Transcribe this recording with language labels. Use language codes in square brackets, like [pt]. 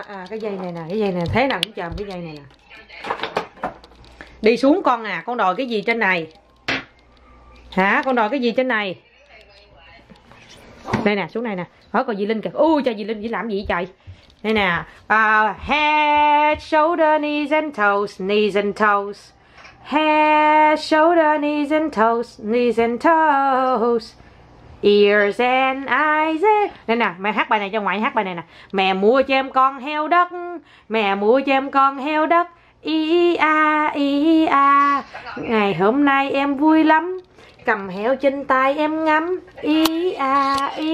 [vi] Cái dây này nè, thế nào cũng chầm cái dây này nè. Đi xuống con à, con đòi cái gì trên này? Hả, con đòi cái gì trên này? Đây nè, xuống đây nè. Hỏi còn dì Linh kìa. Ui, trời dì Linh, dì làm gì vậy trời? Đây nè. [en] Head, shoulder, knees and toes, knees and toes. Head, shoulder, knees and toes, knees and toes. Ears and eyes. [vi] Nè nè, mẹ hát bài này cho ngoại hát bài này nè. Mẹ mua cho em con heo đất. Mẹ mua cho em con heo đất. E-a. Ngày hôm nay em vui lắm. Cầm heo trên tay em ngắm. E-a.